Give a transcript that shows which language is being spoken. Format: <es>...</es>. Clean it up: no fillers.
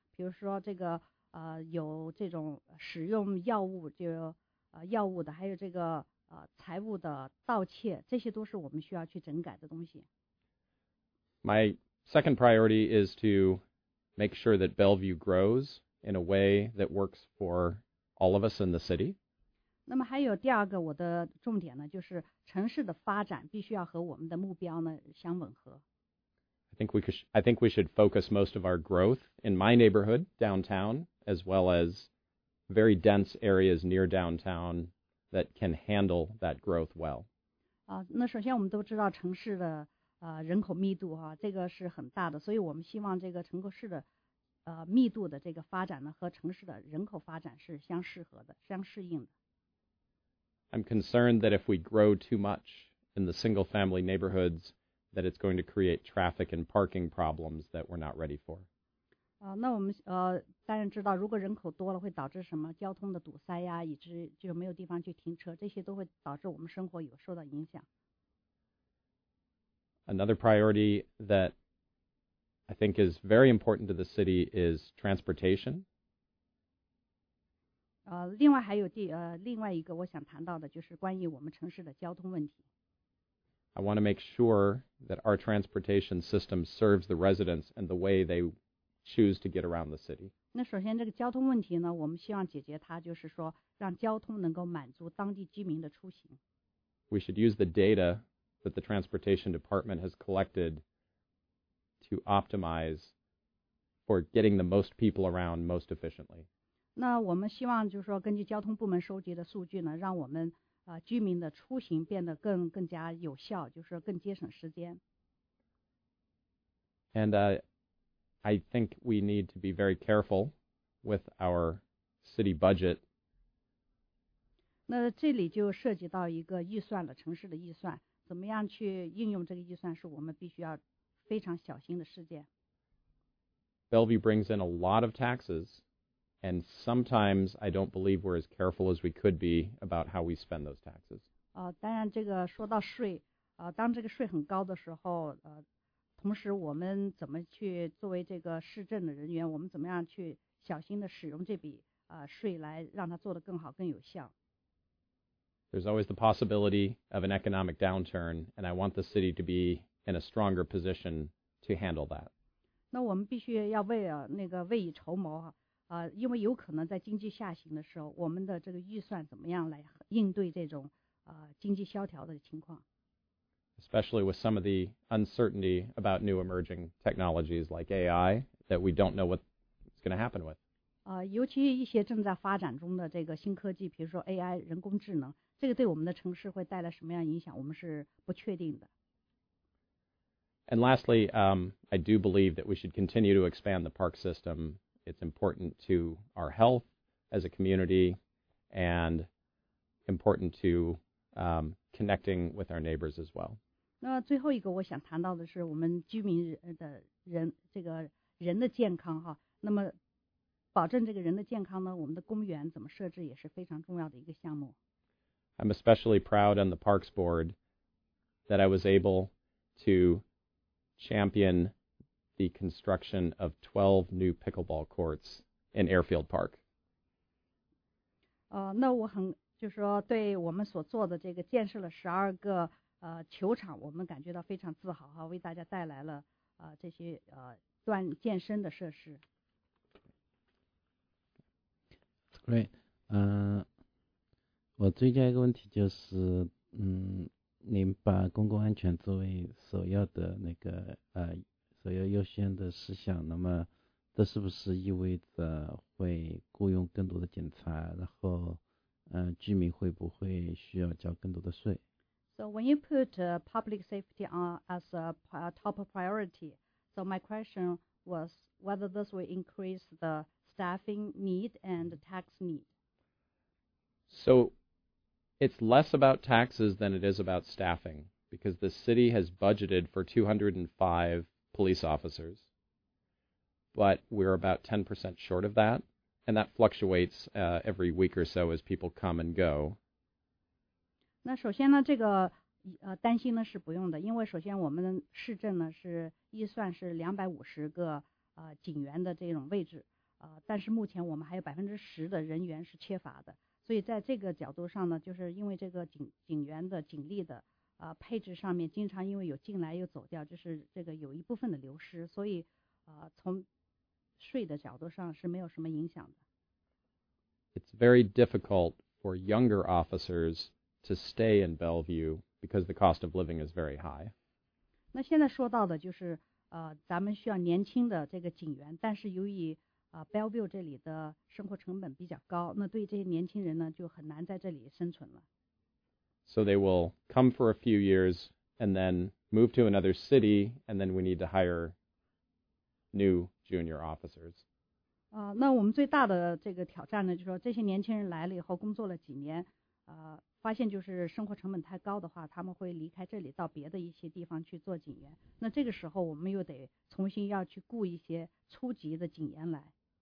<zh>比如说这个有这种使用药物就药物的，还有这个财务的盗窃，这些都是我们需要去整改的东西。</zh> <en>My second priority is to make sure that Bellevue grows in a way that works for all of us in the city.</en> <zh>那么还有第二个我的重点呢，就是城市的发展必须要和我们的目标呢相吻合。</zh> <en>I think we should focus most of our growth in my neighborhood, downtown, as well as very dense areas near downtown that can handle that growth well.</en> <zh>那首先我们都知道城市的人口密度这个是很大的，所以我们希望这个城市的密度的这个发展呢和城市的人口发展是相适合的，相适应的。</zh> <en>I'm concerned that if we grow too much in the single family neighborhoods,that it's going to create traffic and parking problems that we're not ready for.</en> <zh>那我们当然知道，如果人口多了，会导致什么交通的堵塞呀，以致就是没有地方去停车，这些都会导致我们生活有受到影响。</zh> <en>Another priority that I think is very important to the city is transportation.</en> <zh>另外还有另外一个我想谈到的就是关于我们城市的交通问题。</zh> <en>I want to make sure that our transportation system serves the residents and the way they choose to get around the city.</en> <zh>那首先这个交通问题呢，我们希望解决它，就是说让交通能够满足当地居民的出行。</zh> <en>We should use the data that the transportation department has collected to optimize for getting the most people around most efficiently.</en> <zh>那我们希望就是说根据交通部门收集的数据呢，让我们居民的出行变得更加有效，就是更节省时间。</zh> <en>And I think we need to be very careful with our city budget.</en> <zh>那这里就涉及到一个预算了，城市的预算，怎么样去应用这个预算，是我们必须要非常小心的事件。</zh> <en>Bellevue brings in a lot of taxes, And sometimes I don't believe we're as careful as we could be about how we spend those taxes.</en> <zh>当然这个说到税，当这个税很高的时候，同时我们怎么去作为这个市政的人员，我们怎么样去小心的使用这笔税来让它做得更好更有效。</zh> <en>There's always the possibility of an economic downturn, and I want the city to be in a stronger position to handle that.</en> <zh>那我们必须要为那个未雨绸缪啊，因为有可能在经济下行的时候，我们的这个预算怎么样来应对这种经济萧条的情况。</zh> <en>Especially with some of the uncertainty about new emerging technologies like AI that we don't know what's going to happen with.</en> <zh>尤其一些正在发展中的这个新科技，比如说 AI 人工智能。这个对我们的城市会带来什么样影响？我们是不确定的。</zh> <en>And lastly, I do believe that we should continue to expand the park system. It's important to our health as a community and important to connecting with our neighbors as well.</en> <zh>那最后一个我想谈到的是我们居民的人，这个人的健康哈。那么保证这个人的健康呢，我们的公园怎么设置也是非常重要的一个项目。</zh> <en>I'm especially proud on the Parks Board that I was able to champion the construction of 12 new pickleball courts in Airfield Park.</en> <zh>那我很就是说对我们所做的这个建设了12个球场，我们感觉到非常自豪哈，为大家带来了这些锻健身的设施。</zh> <en>Great,</en> <zh>我追加一个问题，就是您把公共安全作为首要的那个首要优先的事项，那么这是不是意味着会雇佣更多的警察，然后居民会不会需要交更多的税？</zh> <en>So when you put public safety on as a top priority, so my question was whether this will increase the staffing need and the tax need. So it's less about taxes than it is about staffing, because the city has budgeted for 205 police officers, but we're about 10% short of that, and that fluctuates every week or so as people come and go.</en> <zh>那首先呢，这个担心呢是不用的，因为首先我们市政呢是预算是250个警员的这种位置，但是目前我们还有10%的人员是缺乏的。所以在这个角度上呢，就是因为这个警员的警力的配置上面，经常因为有进来又走掉，就是这个有一部分的流失，所以从税的角度上是没有什么影响的。</zh> <en>It's very difficult for younger officers to stay in Bellevue because the cost of living is very high.</en> <zh>那现在说到的就是咱们需要年轻的这个警员，但是由于Bellevue 这里的生活成本比较高，那对这些年轻人呢就很难在这里生存了。</zh> <en>So they will come for a few years and then move to another city, and then we need to hire new junior officers.</en> <zh>那我们最大的这个挑战呢，就是说这些年轻人来了以后工作了几年，发现就是生活成本太高的话，他们会离开这里到别的一些地方去做警员。那这个时候我们又得重新要去雇一些初级的警员来。</zh>